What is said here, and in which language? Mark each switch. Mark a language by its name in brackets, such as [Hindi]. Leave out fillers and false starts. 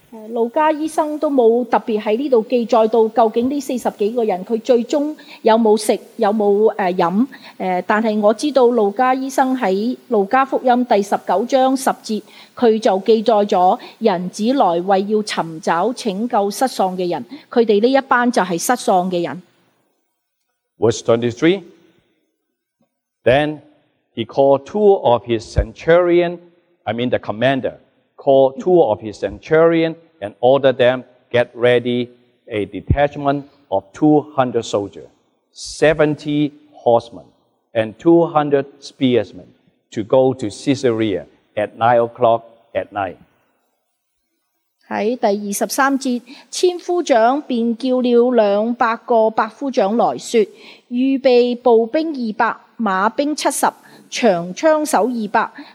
[Chinese] 路加医生都没有特别在这里记载到究竟这四十几个人他最终有没有吃有没有喝，但是我知道路加医生在路加福音第十九章十节，他就记载了人子来为要寻找拯救失丧的人，他们这一班就是失丧的人。 [English] Verse 23, Then he called two of his centurion, I mean the commander,called two of his centurion and ordered them get ready a detachment of 200 soldiers, 70 horsemen, and 200 spearsmen to go to Caesarea at 9 o'clock at night. [Chinese] 在第二十三节，千夫长便叫了两百个百夫长来说，预备步兵二百，马兵七十，长枪手二百。